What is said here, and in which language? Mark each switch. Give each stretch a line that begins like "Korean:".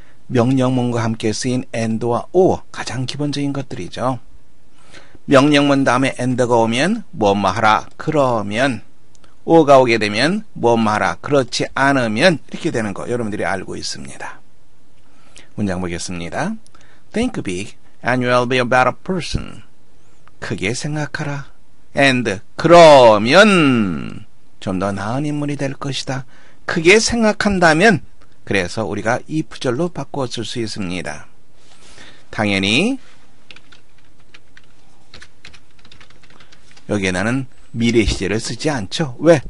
Korean: 명령문과 함께 쓰인 and와 or, 가장 기본적인 것들이죠. 명령문 다음에 and가 오면 뭐뭐 하라, 그러면 or가 오게 되면 뭐뭐 하라, 그렇지 않으면 이렇게 되는 거 여러분들이 알고 있습니다. 문장 보겠습니다.
English: Think big and you'll be a better person.
Korean: 크게 생각하라. And 그러면 좀 더 나은 인물이 될 것이다. 크게 생각한다면, 그래서 우리가 이 부절로 바꿔 쓸 수 있습니다. 당연히 여기에 나는 미래 시제를 쓰지 않죠. 왜?